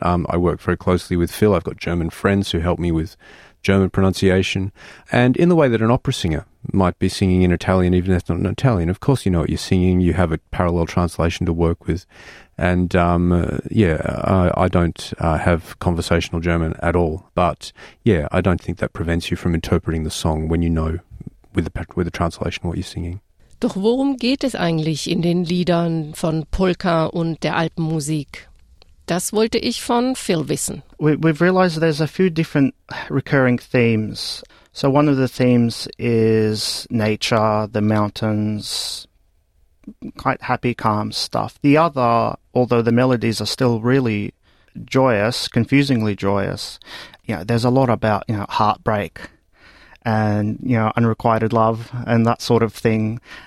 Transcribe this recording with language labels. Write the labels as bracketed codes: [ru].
[en] I work very closely with Phil. I've got German friends who help me with German pronunciation, and in the way that an opera singer might be singing in Italian, even if it's not in Italian. Of course, you know what you're singing. You have a parallel translation to work with. And I don't have conversational German at all. But yeah, I don't think that prevents you from interpreting the song when you know with the translation what you're singing. [de] Doch worum geht es eigentlich in den Liedern von Polka und der Alpenmusik? Das wollte ich von Phil wissen. [en] We've realized there's a few different recurring themes. So one of the themes is nature, the mountains, quite happy, calm stuff. The other, although the melodies are still really joyous, confusingly joyous, you know, there's a lot about, you know, heartbreak and, you know, unrequited love and that sort of thing.